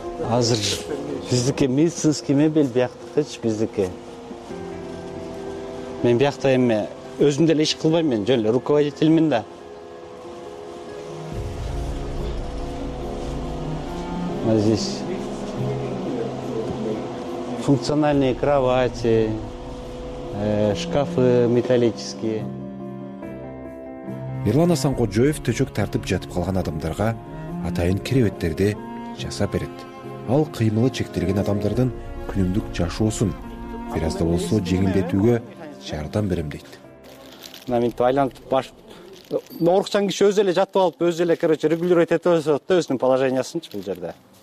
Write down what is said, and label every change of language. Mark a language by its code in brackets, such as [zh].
[ky] Азыр биздики [ru] медицинский мебель [ky] бияктыкычы биздики. Мен биякта эме өзүм деле иш кылбайм, мен жөн эле руководителмин да. [ru] А здесь функциональные кровати, шкафы металлические. [ky] Ирлан Асанкожоев төчөк тартып жатып калган адамдарга атайын кереветтерди жасап берет. Ал кыймылы чектелген адамдардын күнүмдүк жашоосун бир аз да болсо жеңилдетүүгө жардам берем дейт. Мына минтип айлантып баш оорукчан киши өзү эле жатып алып, өзү эле короче регулировать этип атат да өзүнүн положениясынчы бул жерде.